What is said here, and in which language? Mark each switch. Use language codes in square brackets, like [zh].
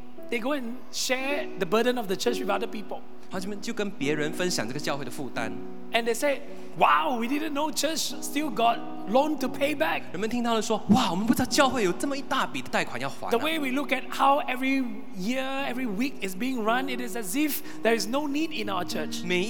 [en] They go and share the burden of the church with other people. [zh] 他们就跟别人分享这个教会的负担。 [en] And they said, wow, we didn't know church still got loan to pay back. [zh] 人们听到了说，哇，我们不知道教会有这么一大笔的贷款要还。 [en] The way we look at how every year, every week is being run, it is as if there is no need in our church.